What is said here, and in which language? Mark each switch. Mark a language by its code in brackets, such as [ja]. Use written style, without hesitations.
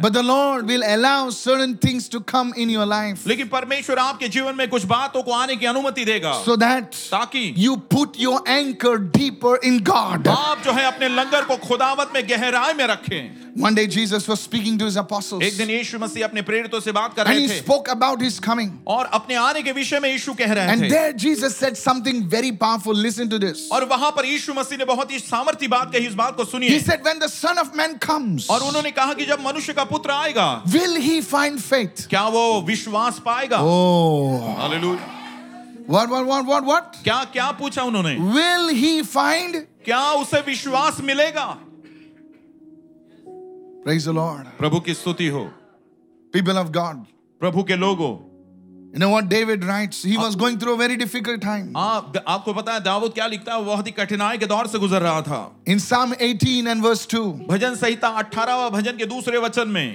[en] But the Lord will allow certain things to come in your life. [hi] लेकिन परमेश्वर आपके जीवन में कुछ बातों को आने की अनुमति देगा [en] So that [hi] ताकि [en] you put your anchor deeper in God. [hi] आप जो है अपने लंगर को खुदावत में गहराई में रखें [en] One day Jesus was speaking to his apostles. [hi] एक दिन यीशु मसीह अपने प्रेरितों से बात कर रहे थे. [en] And he spoke about his coming. [hi] और अपने आने के विषय में यीशु कह रहे थे. [en] And there Jesus said something very powerful. Listen to this. [hi] और वहाँ पर यीशु मसीह ने बहुत ही सामर्थी बात कही इस बात को सुनिए. [en] He said, "When the Son of Man comes." [hi] और उन्होंने कहा कि जब मनुष्य का पुत्र आएगा. [en] Will he find faith? [hi] क्या वो विश्वास पाएगा? [en] Oh, hallelujah. What? [hi] क्या पूछा उन्होंने? [en] Will he find? [hi] क्या उसे विश्वास मिलेगा? [en] Praise the Lord. [hi] प्रभु की स्तुति हो. [en] People of God. [hi] प्रभु के लोगों. [en] You know what David writes? He was going through a very difficult time. [hi] आपको पता है दाऊद क्या लिखता है? बहुत ही कठिनाई के दौर से गुजर रहा था. [en] In Psalm 18 and verse 2. [hi] भजन संहिता 18वां भजन के दूसरे वचन में.